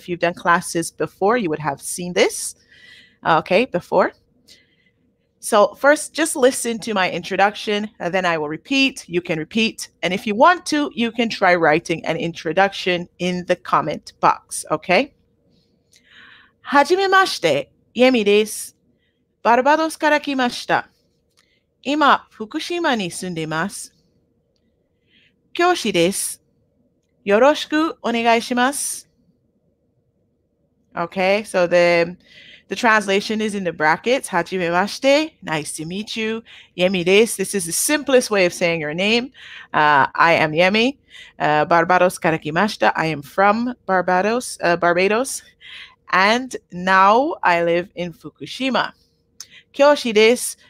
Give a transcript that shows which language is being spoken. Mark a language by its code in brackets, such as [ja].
[en] If you've done classes before, you would have seen this, okay, before. So first, just listen to my introduction, and then I will repeat. You can repeat. And if you want to, you can try writing an introduction in the comment box, okay? [ja] はじめまして、イエミです。バルバドスから来ました。今、福島に住んでいます。教師です。よろしくお願いします。 [en] Okay, so the translation is in the brackets. [ja] はじめまして。 [en] Nice to meet you. [ja] イエミです。 [en] This is the simplest way of saying your name. I am Yemi. Barbados [ja] から来ました。 [en] I am from Barbados. Barbados. And now I live in Fukushima. [ja] 教師です。